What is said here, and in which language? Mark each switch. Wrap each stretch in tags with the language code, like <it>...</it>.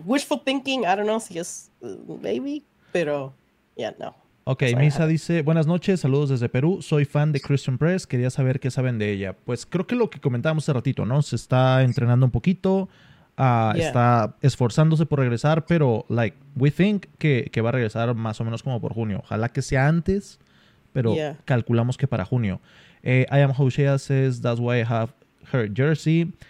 <en>Wishful thinking, I don't know</en> <es>si es</es> <en>maybe, pero, yeah, no. Ok, sorry.</en> <es>Misa dice, buenas noches, saludos desde Perú, soy fan de Christian Press, quería saber qué saben de ella. Pues creo que lo que comentábamos hace ratito, ¿no? Se está entrenando un poquito. Está esforzándose por regresar, pero</es> <en>like we think</en> <es>que va a regresar más o menos como por junio. Ojalá que sea antes, pero calculamos que para junio.</es> <en>I am Hoshea says, that's why I have her jersey.</en>